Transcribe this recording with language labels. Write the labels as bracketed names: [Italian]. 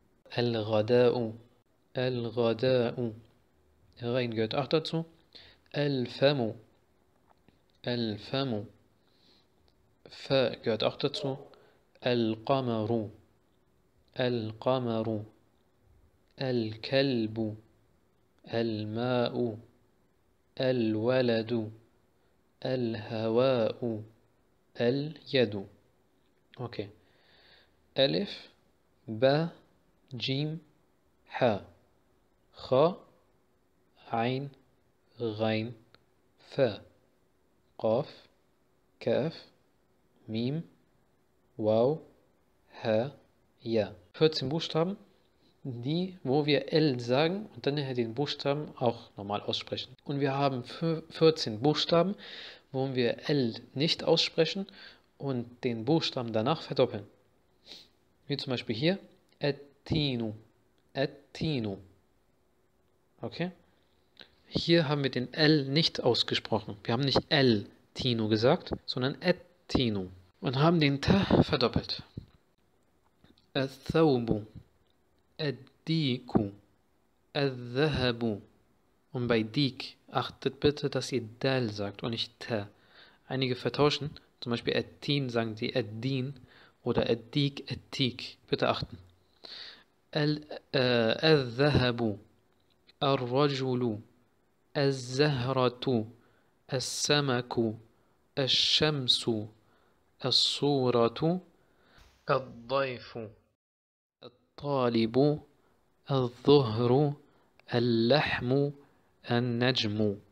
[Arabic] El-Ghada'u, El-Ghada'u, [German] Rain gehört auch dazu. [Arabic] El-Famu, El-Famu, [German] Fa gehört auch dazu. [Arabic] El-Qamaru, El-Qamaru. الكلب الماء الولد الهواء اليد. اوكي، الف ب جيم ح خ عين غين ف قاف كاف ميم واو ها يا [German] 14 Buchstaben. Die, wo wir L sagen und dann nachher den Buchstaben auch normal aussprechen. Und wir haben 14 Buchstaben, wo wir L nicht aussprechen und den Buchstaben danach verdoppeln. Wie zum Beispiel hier, [Arabic] Ettinu, Ettinu. [German] Okay? Hier haben wir den L nicht ausgesprochen. Wir haben nicht El Tino gesagt, sondern Ettinu. Und haben den T verdoppelt. [Arabic] Ethaubu. الديكو الذهب. [German] Und bei Dik achtet bitte, dass ihr Dal sagt und nicht Ta. Einige vertauschen, zum Beispiel Ettin sagen sie Eddin oder Eddik, Ettik. Bitte achten. [Arabic] الذهب الرجل الزهرة السمك الشمس الصورة الضيف الطالب الظهر اللحم النجم.